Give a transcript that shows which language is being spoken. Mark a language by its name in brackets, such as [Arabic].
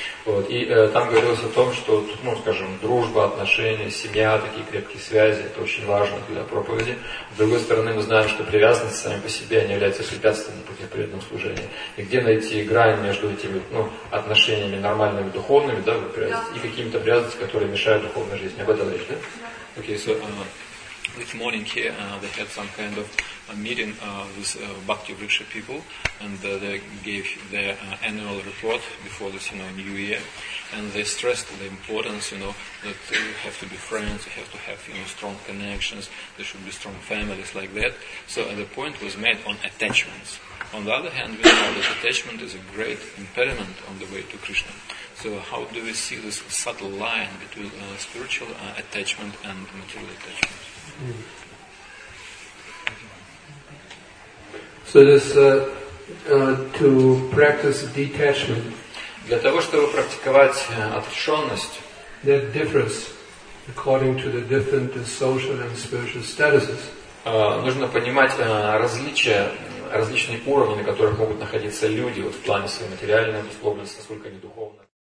[Russian] Вот, и там говорилось о том, что, ну, скажем, дружба, отношения, семья, такие крепкие связи, это очень важно для проповеди. С другой стороны, мы знаем, что привязанность сами по себе, они являются препятствием на пути преданного служения. И где найти грань между этими, ну, отношениями нормальными, духовными, да, и какими-то привязанностями, которые мешают духовной жизни. Об этом речь, да? [English] Окей, okay, so, this morning here they had some kind of a meeting with Bhakti Vriksha people, and they gave their annual report before this, you know, new year, and they stressed the importance, you know, that you have to be friends, you have to have, you know, strong connections, there should be strong families like that. So the point was made on attachments. On the other hand, we know that attachment is a great impediment on the way to Krishna. So how do we see this subtle line between spiritual attachment and material attachment? So this to practice detachment. [Russian] Для того, чтобы практиковать отрешенность. [English] That differs according to the different social and spiritual statuses. [Russian] Нужно понимать различия, различные уровни, на которых могут находиться люди вот в плане своей материальной условности, насколько они духовны.